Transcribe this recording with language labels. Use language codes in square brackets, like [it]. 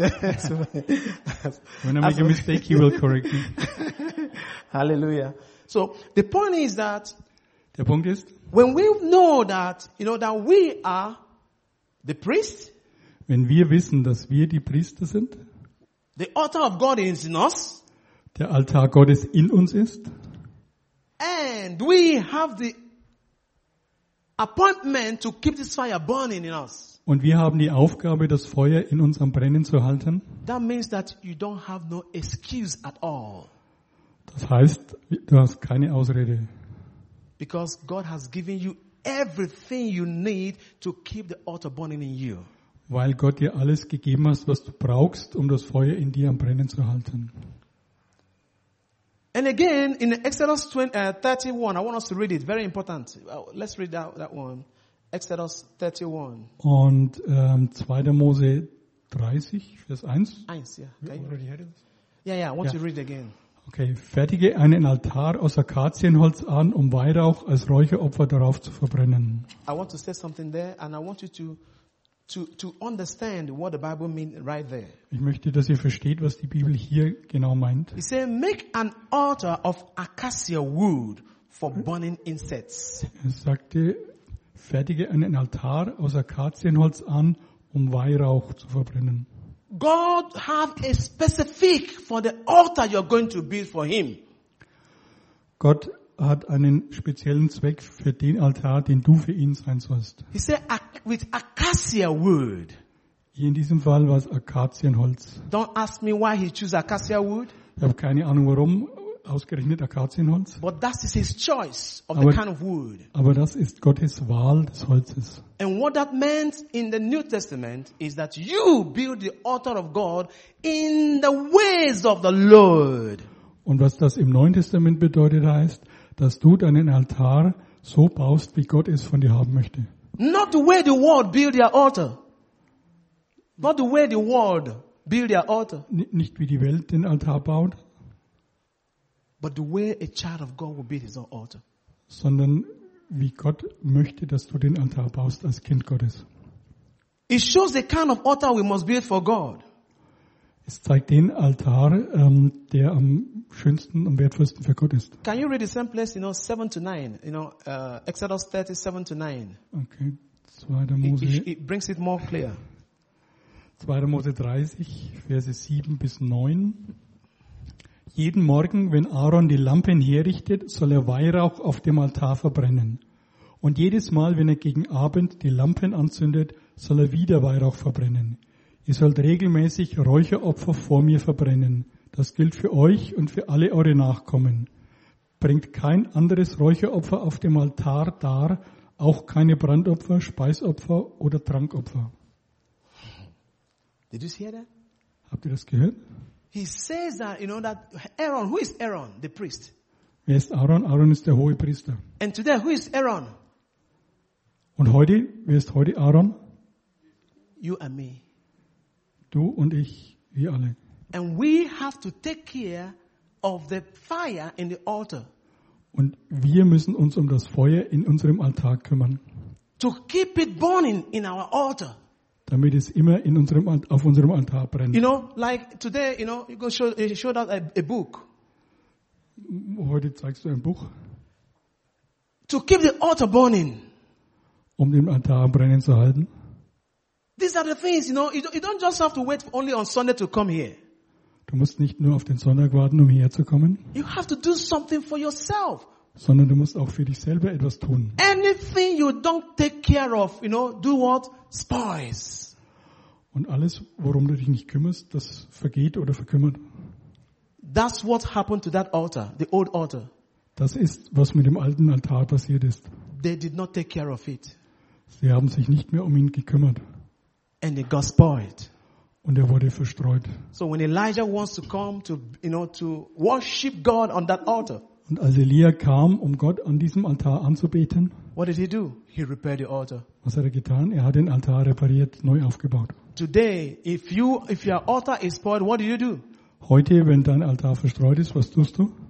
[en] When I make a mistake, he will correct me. Halleluja. So, the point is that [de] der Punkt ist, [en] when we know that, you know, that we are the priest, [de] wenn wir wissen, dass wir die Priester sind, [en] the altar of God is in us, [de] der Altar Gottes in uns ist, [en] and we have the appointment to keep this fire burning in us. [de] Und wir haben die Aufgabe, das Feuer in uns am Brennen zu halten. [en] That means that you don't have no excuse at all. [de] Das heißt, du hast keine Ausrede. [en] Because God has given you everything you need to keep the altar burning in you. [de] Weil Gott dir alles gegeben hat, was du brauchst, um das Feuer in dir am Brennen zu halten. [en] And again, in Exodus 31, I want us to read it. Very important. Let's read that one. Exodus 31. [de] Und 2. Mose 30, Vers 1. [en] 1, ja. Yeah, I want to read again. [de] Okay, fertige einen Altar aus Akazienholz an, um Weihrauch als Räucheropfer darauf zu verbrennen. [en] I want to say something there, and I want you to understand what the Bible means right there. [de] Ich möchte, dass ihr versteht, was die Bibel hier genau meint. [en] It says, make an altar of acacia wood for burning incense. [de] Es sagte, fertige einen Altar aus Akazienholz an, um Weihrauch zu verbrennen. [en] God have a specific for the altar you're going to build for him. [de] Gott hat einen speziellen Zweck für den Altar, den du für ihn sein sollst. [en] He said with acacia wood. [de] Hier in diesem Fall war es Akazienholz. [en] Don't ask me why he chose acacia wood. [de] Ich habe keine Ahnung warum ausgerechnet Akazienholz. [en] But that is his choice of the kind of wood. [de] Aber das ist Gottes Wahl des Holzes. [en] And what that meant in the New Testament is that you build the altar of God in the ways of the Lord. [de] Und was das im Neuen Testament bedeutet, heißt, dass du deinen Altar so baust, wie Gott es von dir haben möchte. [en] Not the way the world build their altar. Not the way the world build their altar. [de] Nicht wie die Welt den Altar baut. [en] But the way a child of God will build his own altar. [de] Sondern wie Gott möchte, dass du den Altar baust als Kind Gottes. [en] It shows the kind of altar we must build for God. [de] Es zeigt den Altar, der am schönsten und wertvollsten für Gott ist. [en] Can you read the same place, you know, 7 to 9, you know, Exodus 30, 7 to 9. [de] Okay, 2. Mose. [en] It brings it more clear. [de] 2. Mose 30, Verse 7 bis 9. Jeden Morgen, wenn Aaron die Lampen herrichtet, soll er Weihrauch auf dem Altar verbrennen. Und jedes Mal, wenn er gegen Abend die Lampen anzündet, soll er wieder Weihrauch verbrennen. Ihr sollt regelmäßig Räucheropfer vor mir verbrennen. Das gilt für euch und für alle eure Nachkommen. Bringt kein anderes Räucheropfer auf dem Altar dar, auch keine Brandopfer, Speisopfer oder Trankopfer. [en] Did you hear that? [de] Habt ihr das gehört? [en] He says that, you know, that Aaron, who is Aaron, the priest? [de] Wer ist Aaron? Aaron ist der hohe Priester. [en] And today, who is Aaron? [de] Und heute, wer ist heute Aaron? [en] You and me. [de] Du und ich, wir alle. [en] And we have to take care of the fire in the altar. [de] Und wir müssen uns um das Feuer in unserem Altar kümmern. [en] To keep it burning in our altar. [de] Damit es immer in unserem auf unserem Altar brennt. [en] You know, like today, you know, you go show that a book. [de] Heute zeigst du ein Buch. [en] To keep the altar burning. [de] Um den Altar brennen zu halten. [en] These are the things, you know. You don't just have to wait only on Sunday to come here. [de] Du musst nicht nur auf den Sonntag warten, um hierher zu kommen. [en] You have to do something for yourself. [de] Sondern du musst auch für dich selber etwas tun. [en] Anything you don't take care of, you know, do what? Spoils. [de] Und alles, worum du dich nicht kümmerst, das vergeht oder verkümmert. [en] That's what happened to that altar, the old altar. [de] Das ist, was mit dem alten Altar passiert ist. [en] They did not take care of it. [de] Sie haben sich nicht mehr um ihn gekümmert. [en] And it got spoiled. [de] Und er wurde verstreut. [en] So when Elijah wants to come to, you know, to worship God on that altar. [de] Und als Elia kam, um Gott an diesem Altar anzubeten. [en] What did he do? He repaired the altar. [de] Was hat er getan? Er hat den Altar repariert, neu aufgebaut. [en] Today, if your altar is spoiled, what do? [de] Heute, wenn dein Altar verstreut ist, was tust du?